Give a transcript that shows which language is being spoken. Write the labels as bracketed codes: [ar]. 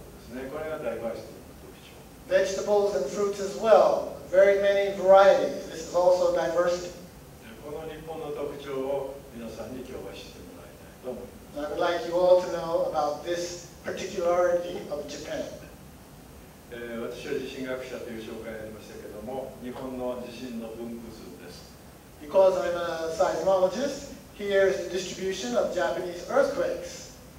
[ja] で、野菜も果物もいろんな食べ物も全部種類が多いということですね。これがダイバーシティの特徴。 [en] Vegetables and fruits as well, very many varieties. This is also diversity. [ja] この日本の特徴を皆さんに今日は知ってもらいたいと思います。 [en] I would like you all to know about this particularity of Japan. [ja] 私は地震学者という紹介をやりましたけども、日本の地震の分布図です。 [en] Because I'm a seismologist, here's the distribution of Japanese earthquakes.